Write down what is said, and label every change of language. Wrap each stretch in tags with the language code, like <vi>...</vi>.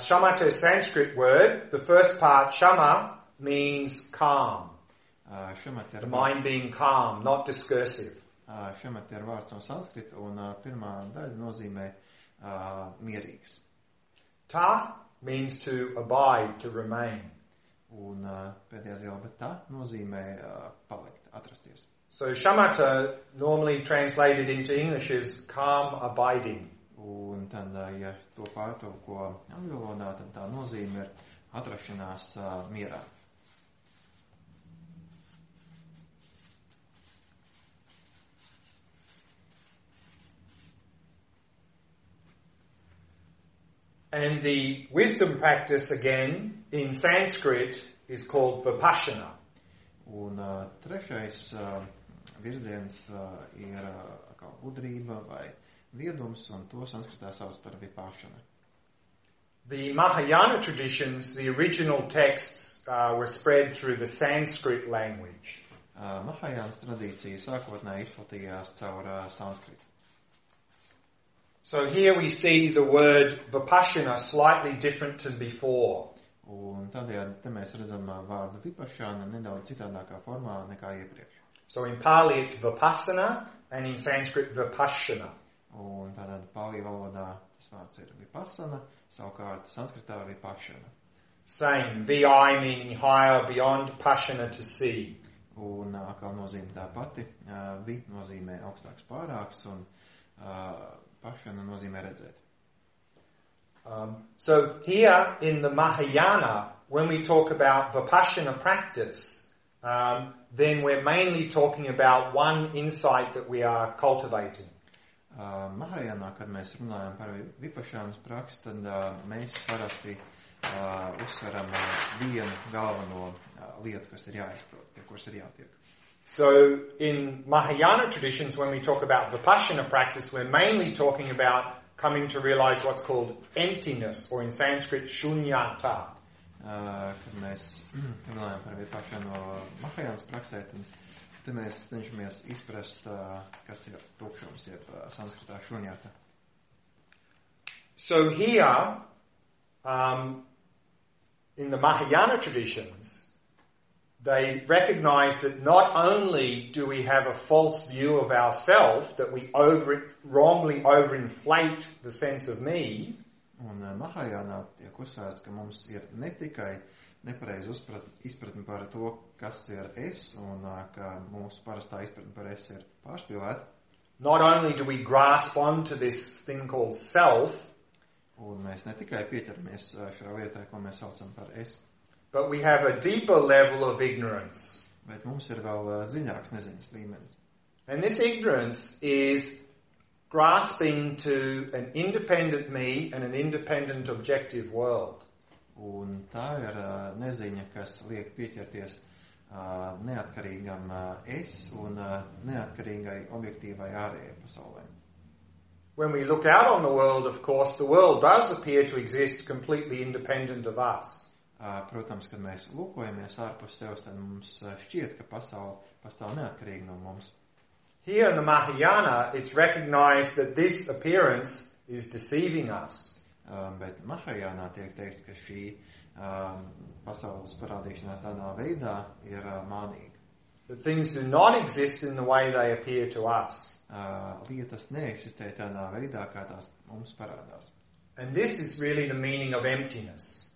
<en>Shamatha is a Sanskrit word. The first part, shama, means calm. Shamatha. The mind being calm, not discursive.</en> <lv>Šemet ir vārds no sanskrita, un pirmā daļa nozīmē mierīgs.</lv> <en>Ta means to abide, to remain.</en> <lv>Un pēdējās jau, bet ta nozīmē palikt, atrasties.</lv> <en>So shamatha, normally translated into English, is calm abiding.</en> <lv>Un tad, ja to pārtulko angļuvodā, tad tā nozīme ir atrašanās mierā.</lv> <en>And the wisdom practice again in Sanskrit is called vipassana.</en> <lv>Un trešais virziens ir kā gudrība vai viedums, un to sanskritā sauc par vipassana.</lv> <en>The Mahayana traditions, the original texts were spread through the Sanskrit language.</en> <lv>Mahayana tradīcija sākotnēji izplatījās caur sanskritu.</lv> <en>So here we see the word vipassana slightly different than before.</en> <lv>Un tādējādi te mēs redzam vārdu vipassana nedaudz citādākā formā nekā iepriekš.</lv> <en>So in Pali it's vipassana and in Sanskrit vipassana.</en> <lv>Un tātad Pali valodā tas vārds ir vipassana, savukārt sanskritā vipassana.</lv> <en>Same, vi meaning higher beyond passana to see.</en> <lv>Un atkal nozīme tā pati, vi nozīmē augstāks pārāks un passana nozīmē redzēt.</lv> <en>So here in the Mahayana, when we talk about vipassana practice, then we're mainly talking about one insight that we are cultivating.</en> <lv>Mahayana, kad mēs runājam par vipassanas praksi, tad mēs parasti uzsveram vienu galveno lietu, kas ir jāizprot, pie kuras ir jātiek.</lv> <en>So in Mahayana traditions, when we talk about vipassana practice, we're mainly talking about coming to realize what's called emptiness, or in Sanskrit, shunyata.</en> <lv>Kad mēs runājam par vipassanu no Mahayanas praksē, tad mēs cenšamies izprast, kas ir tukšums, jeb sanskritā shunyata.</lv> <en>So here, in the Mahayana traditions, they recognize that not only do we have a false view of ourself, that we wrongly overinflate the sense of me.</en> <lv>Un Mahayana tiek uzsvērts, ka mums ir ne tikai nepareizi izpratni par to, kas ir es, un ka mūsu parastā izpratni par es ir pārspīlēta.</lv> <en>Not only do we grasp onto this thing called self.</en> <lv>Un mēs ne tikai pieķeramies šajā vietā, ko mēs saucam par es.</lv> <en>But we have a deeper level of ignorance.</en> <lv>Bet mums ir vēl dziļāks neziņas līmenis.</lv> <en>And this ignorance is grasping to an independent me and an independent objective world.</en> <lv>Un tā ir neziņa, kas liek pieķerties neatkarīgam es un neatkarīgai objektīvai ārējai pasaulē.</lv> <en>When we look out on the world, of course, the world does appear to exist completely independent of us.</en> <lv>Protams, kad mēs lūkojamies ārpus sevis, tad mums šķiet, ka pasaule pastāv neatkarīgi no mums.</lv> <en>Here in the Mahayana, it's recognized that this appearance is deceiving us.</en> <lv>Bet Mahayana tiek teikts, ka šī pasaules parādīšanās tādā veidā ir mānīga.</lv> <en>The things do not exist in the way they appear to us.</en> <lv>Lietas neeksistē tādā veidā, kā tās mums parādās.</lv> <en>And this is really the meaning of emptiness.</en>